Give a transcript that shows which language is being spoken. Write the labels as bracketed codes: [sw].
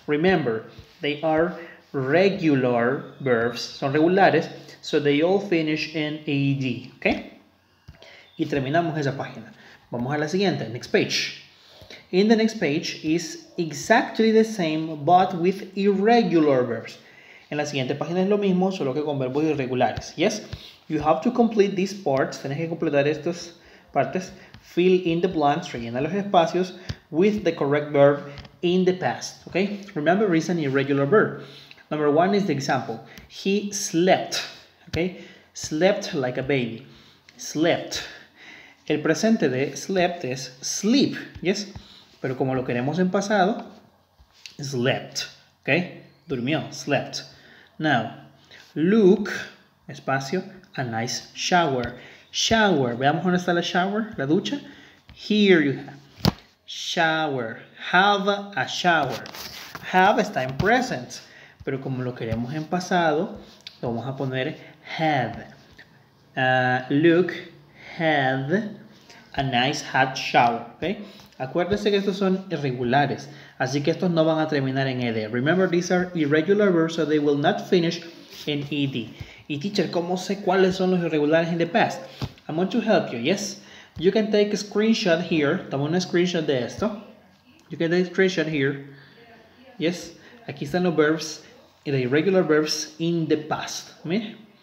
[en] Remember, they are regular verbs, [es] son regulares, [en] so they all finish in ed, okay? [es] Y terminamos esa página. Vamos a la siguiente, [en] next page. In the next page is exactly the same but with irregular verbs. [es] En la siguiente página es lo mismo, solo que con verbos irregulares. [en] Yes? You have to complete these parts. [es] Tienes que completar estas partes. [en] Fill in the blanks, [es] rellena los espacios [en] with the correct verb in the past. Okay? Remember, it's an irregular verb. Number one is the example. He slept. Okay? Slept like a baby. Slept. [es] El presente de slept es sleep. Yes? Pero como lo queremos en pasado, slept. Okay? Durmió. Slept. [en] Now, Luke, espacio, a nice shower. Shower. [es] Veamos dónde está la shower, la ducha. [en] Here you have. [es] Shower. [en] Have a shower. Have [es] está en [en] present. [es] Pero como lo queremos en pasado, lo vamos a poner had. [en] Luke had a nice hot shower. Okay? [es] Acuérdense que estos son irregulares, así que estos no van a terminar en ed. [en] Remember, these are irregular verbs, so they will not finish in ed. Y teacher, [es] ¿cómo sé cuáles son los irregulares [en] in the past? I'm going to help you, yes? You can take a screenshot here. [es] Toma un screenshot de esto. [en] You can take a screenshot here. Yes? [es] Aquí están los verbs, [en] the irregular verbs in the past. Mira.